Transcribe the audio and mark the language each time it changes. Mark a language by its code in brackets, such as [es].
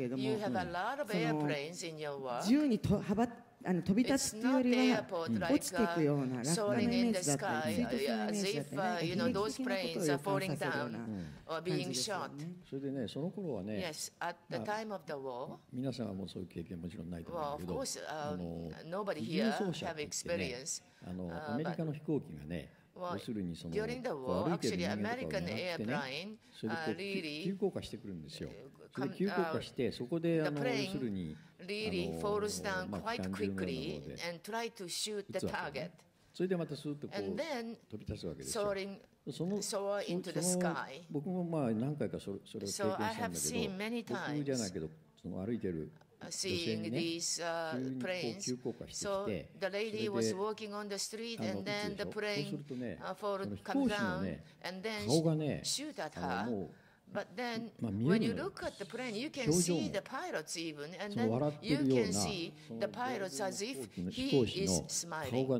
[en] you have a lot of airplanes in your work. [ja] 飛び立つというよりは落ちていくような落下のイメージだったり、水筒のイメージだったり、悲劇的なことを予感させるような感じですよね。それでね、その頃はね、まあ、皆さんはもうそういう経験もちろんないと思うけど、イギリス奏者って言ってね、アメリカの飛行機がね、要するにその歩いてる人間とかを狙ってね、それで急降下してくるんですよ。それで急降下して、そこで要するに [en] Really falls down quite quickly and try to shoot the target. [ja] それでまたスーッとこう飛び立つわけですよ。その僕もまあ何回かそれを経験したんだけど、僕じゃないけどその歩いてる女性にね、急に急降下してきて、それで落ちるでしょ。そうするとね、飛行士のね、顔がね、もう。 [en] But then, when you look at the plane, you can see the pilots even, and then you can see the pilots as if he is smiling.、